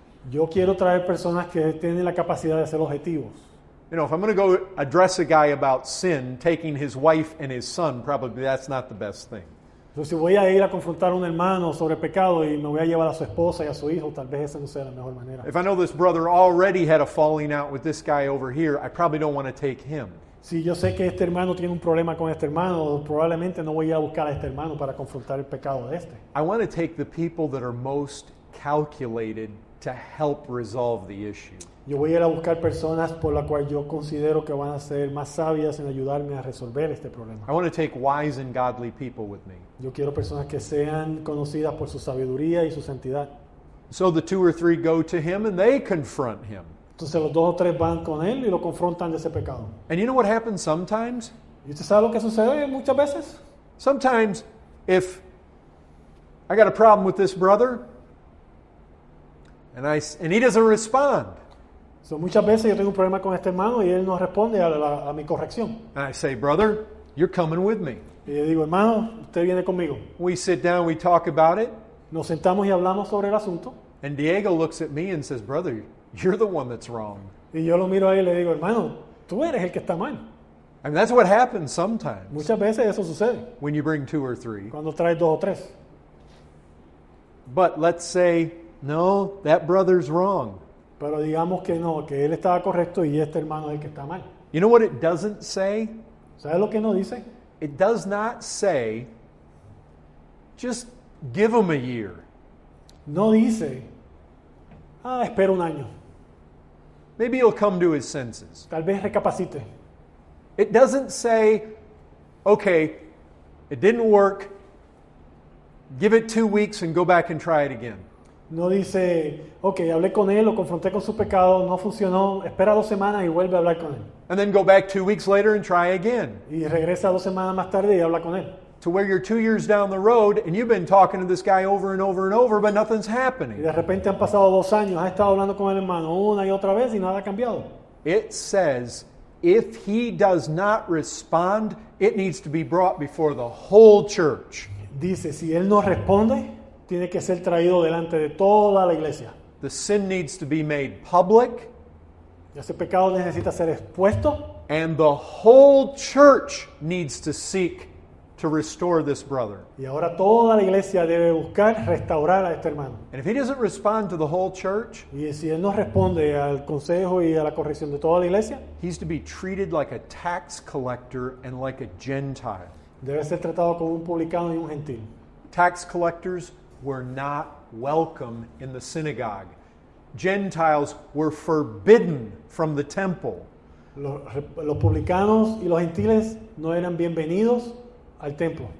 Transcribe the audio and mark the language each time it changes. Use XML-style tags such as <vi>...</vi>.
<es>Yo quiero traer personas que tienen la capacidad de ser objetivos.</es> <en>You know, if I'm going to go address a guy about sin, taking his wife and his son, probably that's not the best thing.</en> <es>So, si voy a ir a confrontar a un hermano sobre pecado y me voy a llevar a su esposa y a su hijo, tal vez esa no sea la mejor manera.</es> <en>If I know this brother already had a falling out with this guy over here, I probably don't want to take him.</en> <es>Si yo sé que este hermano tiene un problema con este hermano, probablemente no voy a buscar a este hermano para confrontar el pecado de este.</es> <en>I want to take the people that are most calculated to help resolve the issue.</en> <es>Yo voy a ir a buscar personas por la cual yo considero que van a ser más sabias en ayudarme a resolver este problema.</es> <en>I want to take wise and godly people with me.</en> <es>Yo quiero personas que sean conocidas por su sabiduría y su santidad.</es> <en>So the two or three go to him and they confront him.</en> <es>Entonces los dos o tres van con él y lo confrontan de ese pecado.</es> <en>And you know what happens sometimes?</en> <es>¿Y usted sabe lo que sucede muchas veces?</es> <en>Sometimes if I got a problem with this brother and he doesn't respond.</en> <es>So muchas veces yo tengo un problema con este hermano y él no responde a mi corrección.</es> <en>And I say, brother, you're coming with me.</en> <es>Y yo digo, hermano, usted viene conmigo.</es> <en>We sit down, we talk about it.</en> <es>Nos sentamos y hablamos sobre el asunto.</es> <en>And Diego looks at me and says, brother, you're the one that's wrong.</en> <es>Y yo lo miro ahí y le digo, hermano, tú eres el que está mal.</es> <en>I mean, that's what happens sometimes.</en> <es>Muchas veces eso sucede.</es> <en>When you bring two or three.</en> <es>Cuando traes dos o tres.</es> <en>But let's say, no, that brother's wrong.</en> <es>Pero digamos que no, que él estaba correcto y este hermano es el que está mal.</es> <en>You know what it doesn't say?</en> <es>¿Sabes lo que no dice?</es> <en>It does not say, just give him a year.</en> <es>No dice, ah, espera un año.</es> <en>Maybe he'll come to his senses.</en> <es>Tal vez recapacite.</es> <en>It doesn't say, okay, it didn't work, give it 2 weeks and go back and try it again.</en> <es>No dice, okay, hablé con él, lo confronté con su pecado, no funcionó, espera 2 semanas y vuelve a hablar con él.</es> <en>And then go back 2 weeks later and try again.</en> <es>Y regresa 2 semanas más tarde y habla con él.</es> <en>To where you're 2 years down the road and you've been talking to this guy over and over and over, but nothing's happening.</en> <es>Y de repente han pasado 2 años, ha estado hablando con el hermano una y otra vez y nada ha cambiado.</es> <en>It says, if he does not respond, it needs to be brought before the whole church.</en> <es>Dice, si él no responde, tiene que ser traído delante de toda la iglesia.</es> <en>The sin needs to be made public.</en> <es>Ese pecado necesita ser expuesto.</es> <en>And the whole church needs to seek to restore this brother.</en> <es>Y ahora toda la iglesia debe buscar restaurar a este hermano.</es> <en>And if he doesn't respond to the whole church,</en> <es>y si él no responde al consejo y a la corrección de toda la iglesia,</es> <en>he's to be treated like a tax collector and like a Gentile.</en> <es>Debe ser tratado como un publicano y un gentil.</es> <en>Tax collectors were not welcome in the synagogue. Gentiles were forbidden from the temple.</en> <es>Los publicanos y los gentiles no eran bienvenidos al templo.</es>